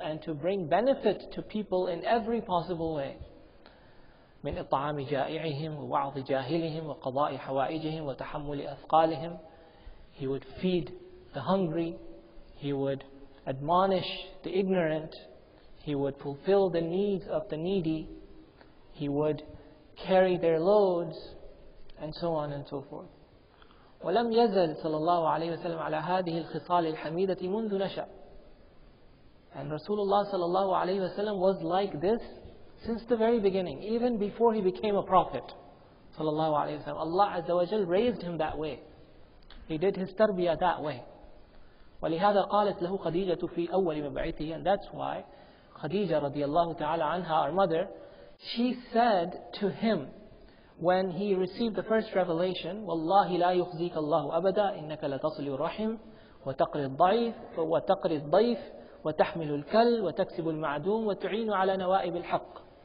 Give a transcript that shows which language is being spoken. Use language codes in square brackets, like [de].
[en] And to bring benefit to people in every possible way. [ar] من إطعام جائعهم ووعظ جاهلهم وقضاء حوائجهم وتحمل أثقالهم. [en] He would feed the hungry. He would admonish the ignorant. He would fulfill the needs of the needy. He would carry their loads, and so on and so forth. [ar] وَلَمْ يَزَلْ صَلَى اللَّهُ عَلَيْهِ وَسَلَمْ عَلَى هَذِهِ الْخِصَالِ الْحَمِيدَةِ مُنْذُ نَشَأْ. [en] And Rasulullah sallallahu alayhi wa sallam was like this since the very beginning, even before he became a prophet sallallahu alayhi wa sallam. Allah azza wa jal raised him that way. He did his tarbiyah that way. [ar] وَلِهَذَا قَالَتْ لَهُ خَدِيجَةُ فِي أَوَّلِ مَبْعِثِهِ. [en] And that's why Khadija radiallahu ta'ala anha, our mother, she said to him when he received the first revelation, [ar] وَاللَّهِ لَا يُخْزِيكَ اللَّهُ أَبَدًا إِنَّكَ لَتَصْلُ الرَّحِيمِ وَتَقْرِ الضَّعِيفِ وَتَقْرِ الضَّيْفِ وَتَحْمِلُ الْكَلِّ وَتَكْسِبُ الْمَعْدُومِ وَتُعِينُ عَلَى نَوَائِبِ الْحَقِّ.